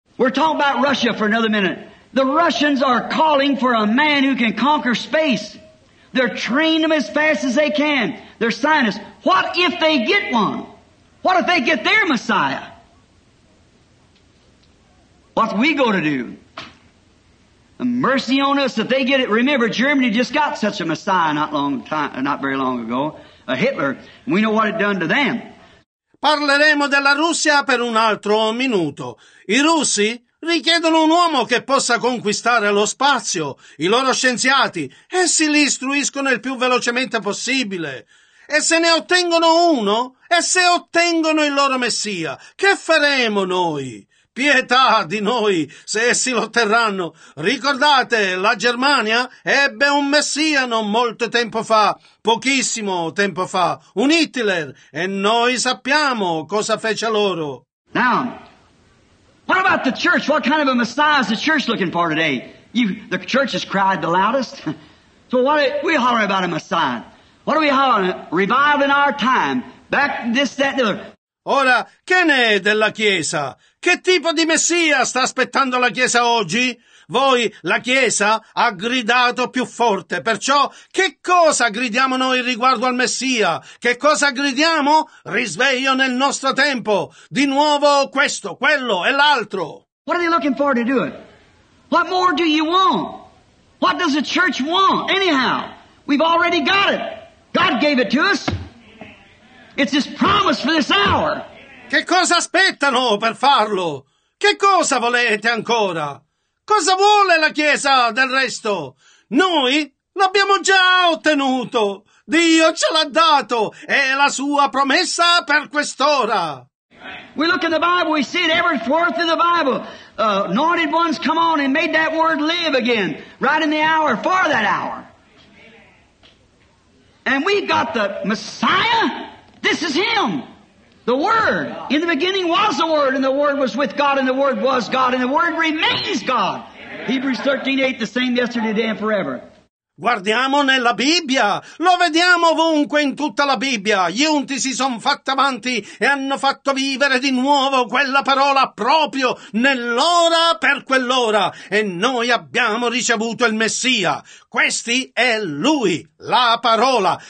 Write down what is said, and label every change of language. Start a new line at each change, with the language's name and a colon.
English: We're talking about Russia for another minute. The Russians are calling for a man who can conquer space. They're training them as fast as they can. They're scientists. What if they get one? What if they get their Messiah? What are we going to do? Mercy on us if they get it. Remember, Germany just got such a Messiah not very long ago, a Hitler. We know what it done to them.
Italian: Parleremo della Russia per un altro minuto. I russi richiedono un uomo che possa conquistare lo spazio. I loro scienziati, essi li istruiscono il più velocemente possibile. E se ne ottengono uno? E se ottengono il loro Messia? Che faremo noi? Pietà di noi se essi lo otterranno. Ricordate, la Germania ebbe un messia non molto tempo fa, pochissimo tempo fa, un Hitler, e noi sappiamo cosa fece loro.
English: Now, what about the church? What kind of a messiah is the church looking for today? The church has cried the loudest. So what we holler about a messiah? What are we hollering? Revival in our time, back this, that, the other.
Italian: Ora, che ne è della Chiesa? Che tipo di Messia sta aspettando la Chiesa oggi? Voi, la Chiesa, ha gridato più forte, perciò che cosa gridiamo noi riguardo al Messia? Che cosa gridiamo? Risveglio nel nostro tempo. Di nuovo questo, quello e l'altro.
English: What are they looking for to do it? What more do you want? What does the church want? Anyhow, we've already got it. God gave it to us. It's His promise for this hour.
Italian: Che cosa aspettano per farlo? Che cosa volete ancora? Cosa vuole la Chiesa del resto? Noi l'abbiamo già ottenuto. Dio ce l'ha dato. È la sua promessa per quest'ora.
English: We look in the Bible, we see it every fourth of the Bible. Anointed ones come on and made that word live again. Right in the hour, for that hour. And we've got the Messiah. This is Him. The Word. In the beginning was the Word, and the Word was with God, and the Word was God, and the Word remains God. Hebrews 13:8, the same yesterday, today, and forever.
Italian: Guardiamo nella Bibbia, lo vediamo ovunque in tutta la Bibbia. Gli unti si sono fatti avanti e hanno fatto vivere di nuovo quella parola proprio nell'ora per quell'ora. E noi abbiamo ricevuto il Messia. Questi è Lui, la parola.